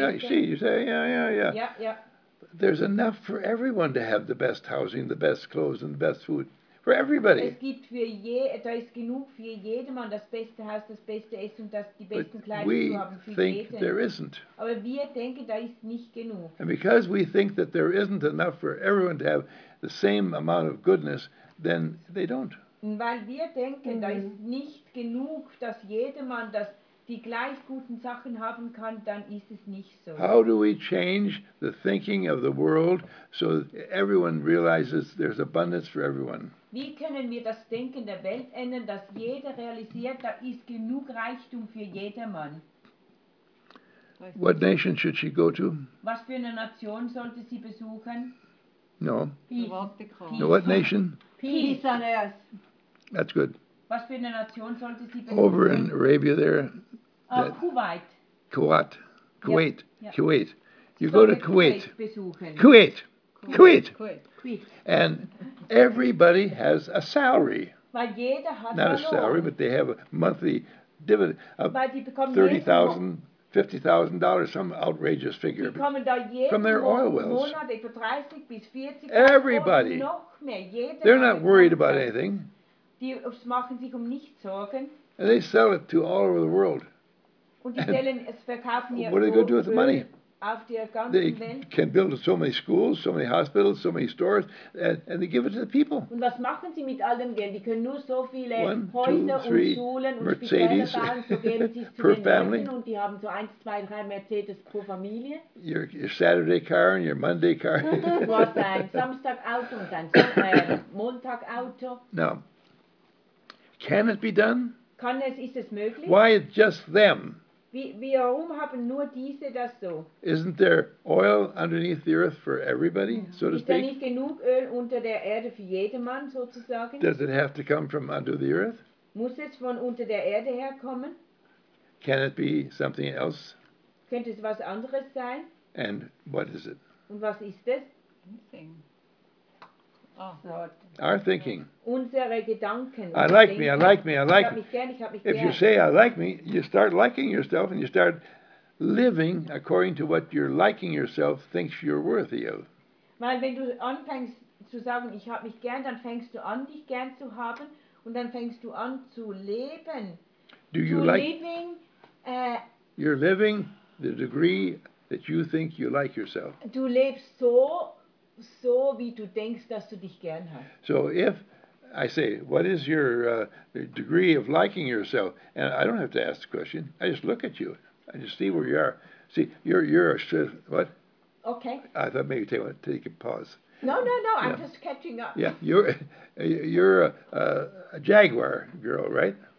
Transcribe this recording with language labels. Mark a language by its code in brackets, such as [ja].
[en] Yeah, you see, you say, yeah. [de] Ja, ja. [en] There's enough for everyone to have the best housing, the best clothes, and the best food. For everybody. [de] Es gibt für da ist genug für jedermann, das beste Haus, das beste Essen und die besten Kleider zu haben. [en] But we think there isn't. [de] Aber wir denken, da ist nicht genug. [en] And because we think that there isn't enough for everyone to have the same amount of goodness, then they don't. [de] Und weil wir denken, da ist nicht genug, dass jedermann das die gleich guten Sachen haben kann, dann ist es nicht so. [en] How do we change the thinking of the world so that everyone realizes there's abundance for everyone? [de] Wie können wir das Denken der Welt ändern, dass jeder realisiert, da ist genug Reichtum für jedermann? [en] What nation should she go to? [de] Was für eine Nation sollte sie besuchen? [en] No. Peace. No, what nation? Peace on earth. That's good. [de] Was für eine Nation sollte sie besuchen? [en] Over in Arabia there. Kuwait. Kuwait. Kuwait. [de] Ja. [en] Kuwait. You go to Kuwait. [de] Besuchen. [en] Kuwait. Kuwait. Kuwait. And everybody has a salary. [de] Weil jeder hat [en] not a salary, but they have a monthly dividend of $30,000, $50,000, some outrageous figure. [de] Die bekommen da jeden [en] from their oil wells. [de] Monat, 30 bis 40 [en] everybody. [de] Noch mehr. Jeder [en] they're not worried about anything. [de] Die machen sich nicht Sorgen. [en] And they sell it to all over the world. [de] Und die stellen, es verkaufen [en] what are they going to do with the money? [de] Auf der ganzen [en] they [de] Welt. [en] Can build so many schools, so many hospitals, so many stores, and they give it to the people. [de] Und was machen sie mit all dem Geld? Die können nur so viele [en] One, [de] Häuser [en] two, three, [de] und Schulen und [en] Mercedes. [de] Spitäler bauen, so geben sie es zu den [en] family. [de] Leuten und die haben so 1, 2, 3 Mercedes pro Familie. [en] Your Saturday car and your Monday car. [de] Du hast ein Samstag-Auto und ein Montag-Auto. [en] No. Can it be done? [de] Kann es, ist es möglich? [en] Why it's just them? [de] Warum haben nur diese das so? [en] Isn't there oil underneath the earth for everybody, so to speak? [de] Ist da nicht genug Öl unter der Erde für jedermann, sozusagen? [en] Does it have to come from under the earth? [de] Muss es von unter der Erde herkommen? [en] Can it be something else? [de] Könnte es was anderes sein? [en] And what is it? [de] Und was ist es? [en] Thinking. Oh. Our thinking. [de] Unsere Gedanken. [en] I like me, I like me, I like me. If you say I like me, you start liking yourself and you start living according to what your liking yourself thinks you're worthy of. [de] Weil wenn du anfängst zu sagen, ich habe mich gern, dann fängst du an, dich gern zu haben und dann fängst du an zu leben. [en] Do you like living, you're living the degree that you think you like yourself. [de] Du lebst so, so wie du denkst, dass du dich gern hast. [en] So if I say, what is your degree of liking yourself? And I don't have to ask the question. I just look at you. I just see where you are. See, you're a, what? Okay. I thought maybe take a pause. No. Yeah. I'm just catching up. Yeah, you're a Jaguar girl, right?